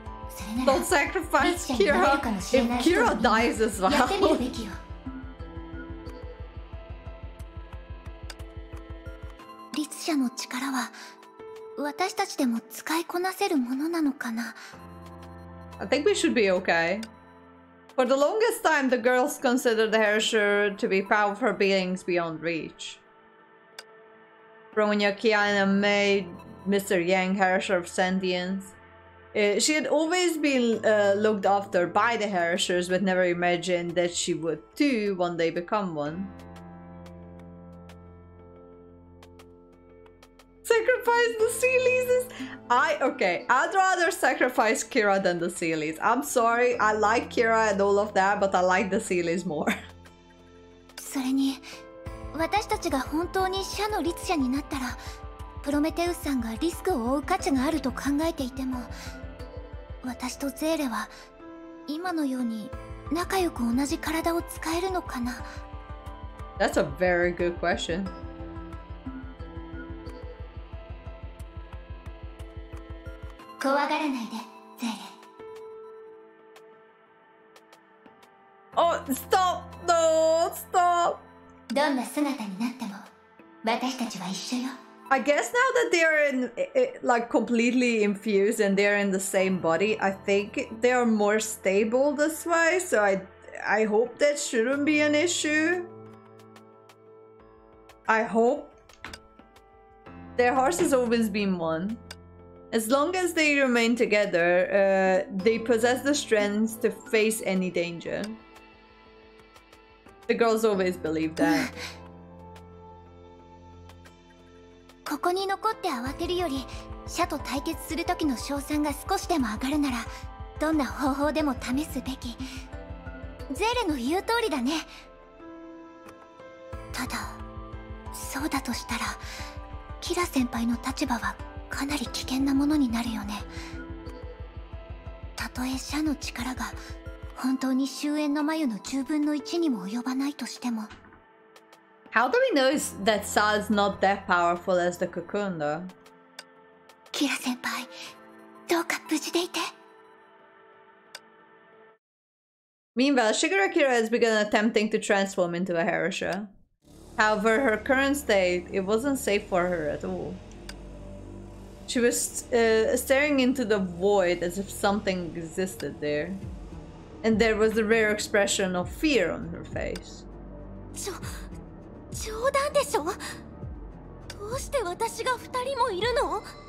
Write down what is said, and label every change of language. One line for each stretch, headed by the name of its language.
Japanese: それならリツシャになれるかもしれない。
English: 人キラ dies as well、
Japanese: やってみるべきよ。リツシャの力は私たちでも使いこなせるものなのかな。
English: I think we should be okay. For the longest time, the girls considered the Herrscher to be powerful beings beyond reach. From when Yakiana made Mr. Yang Herrscher of sentience, she had always been looked after by the Herrschers, but never imagined that she would too one day become one. Sacrifice the Seelies. Okay, I'd rather sacrifice Kira than the Seelies. I'm sorry, I like Kira and all of that, but I like the Seelies more.
Japanese: それに、私たちが本当にシャの律者になったら、プロメテウスさんがリスクを負う価値があると考えていても、私とゼーレは今のように仲良く同じ体を使えるのかな。
English: That's a very good question.
Japanese: 怖がらないで、ゼーレ。
English: お、ストップ、ノー、ストップ。
Japanese: どんな姿になっても、私たちは一緒よ。
English: I guess now that they are in, like completely infused and they are in the same body, I think they are more stable this way, so I hope that shouldn't be an issue. I hope. Their hearts has always been one. As long as they remain together, they possess the strength to face any danger. The girls always believe that.
Japanese: ここに残って慌てるより、シャと対決する時の勝算が少しでも上がるなら、どんな方法でも試すべき。ゼーレの言う通りだね。ただ、そうだとしたら、キラ先輩の立場は、かなり危険なものになるよね。たとえシャの力が本当に終焉の眉の十分の一にも及ばないとしても。
English: How do we know that Sa is not that powerful as the cocoon, though?
Japanese: キラ先輩、どうか無事でいて。
English: Meanwhile, Shigarakira has begun attempting to transform into a Herrscher. However, her current state, it wasn't safe for her at all. She was staring into the void as if something existed there. And there was a rare expression of fear on her face.
Japanese: Jordan, でしょ? どうして私が二人もいるの?